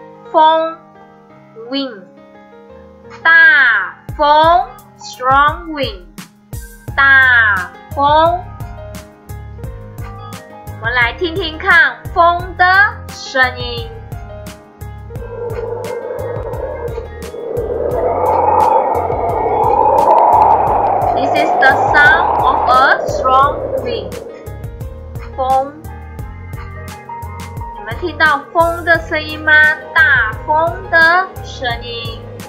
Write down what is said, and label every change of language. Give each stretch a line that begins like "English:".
Chinese: 风 wind， 大风
English: strong wind，
Chinese: 大风。我们来听听看风的声音。
English: This is the sound of a strong wind.
Chinese: 风，你们听到风的声音吗？大风的声音。